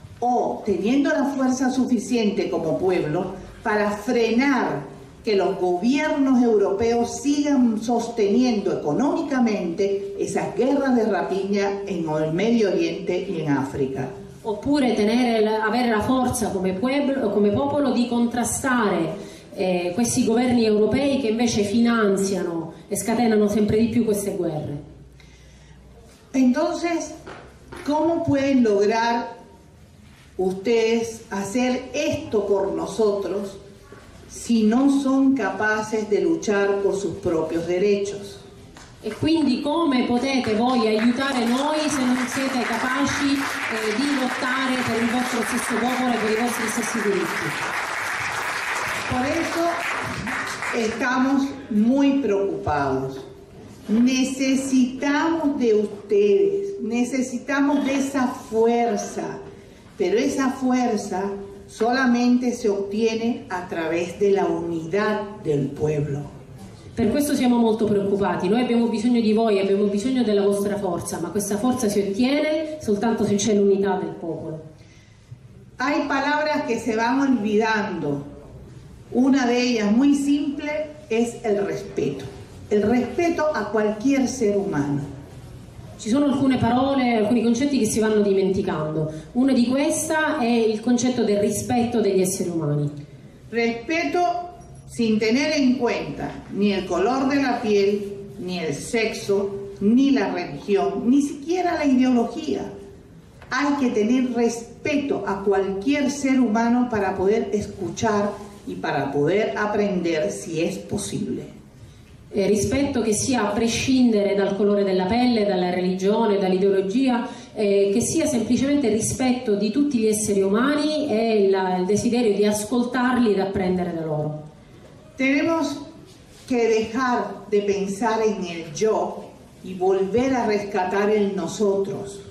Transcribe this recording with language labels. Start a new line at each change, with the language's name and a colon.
Spanish: O teniendo la fuerza suficiente como pueblo para frenar que los gobiernos europeos sigan sosteniendo económicamente esas guerras de rapiña en el Medio Oriente y en África.
Italian: Oppure avere la forza come popolo di contrastare questi governi europei che invece finanziano e scatenano sempre di più queste guerre.
Spanish: Entonces, ¿cómo pueden lograr ustedes hacer esto por nosotros si
Italian: non sono capaci di luchare per i propri diritti? E quindi come potete voi aiutare noi se non siete capaci di lottare per il vostro stesso popolo e per i vostri stessi diritti?
Spanish: Por eso estamos muy preocupados. Necesitamos de ustedes, necesitamos de esa fuerza, pero esa fuerza solamente se
Italian: ottiene attraverso la unità del popolo. Per questo siamo molto preoccupati. Noi abbiamo bisogno di voi, abbiamo bisogno della vostra forza, ma questa forza si ottiene soltanto se c'è l'unità del popolo.
Spanish: Hay palabras que se van olvidando. Una de ellas muy simple es el respeto. El respeto a cualquier ser humano.
Italian: Ci sono alcune parole, alcuni concetti che si vanno dimenticando. Una di queste è il concetto del rispetto degli esseri umani.
Spanish: Rispetto sin tener in cuenta ni el color de la piel, ni el sexo, ni la religión, ni siquiera la ideología. Hay que tener respeto a cualquier ser humano para poder escuchar y para poder aprender si es posible.
Italian: E rispetto che sia a prescindere dal colore della pelle, dalla religione, dall'ideologia, che sia semplicemente rispetto di tutti gli esseri umani e il desiderio di ascoltarli e di apprendere da loro.
Spanish: Tenemos que dejar de pensar en el yo y volver a rescatar el nosotros.